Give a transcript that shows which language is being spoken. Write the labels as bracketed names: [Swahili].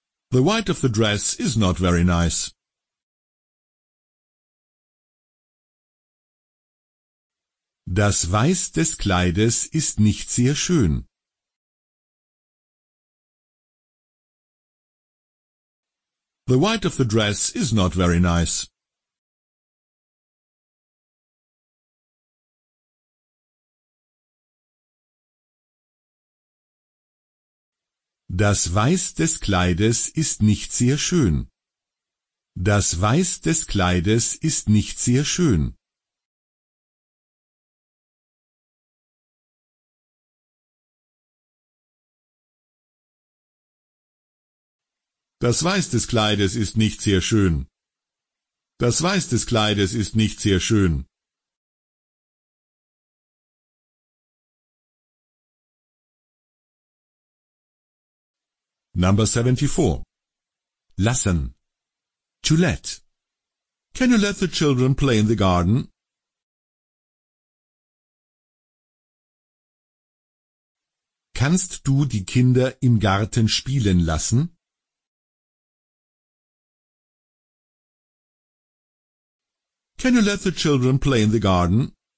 [English] The white of the dress is not very nice. [German] Das Weiß des Kleides ist nicht sehr schön. [English] The white of the dress is not very nice. [German] Das Weiß des Kleides ist nicht sehr schön. Das Weiß des Kleides ist nicht sehr schön. Das Weiß des Kleides ist nicht sehr schön. Das Weiß des Kleides ist nicht sehr schön. [English] Number 74. Lassen. To let. Can you let the children play in the garden? [German] Kannst du die Kinder im Garten spielen lassen? [English] Can you let the children play in the garden?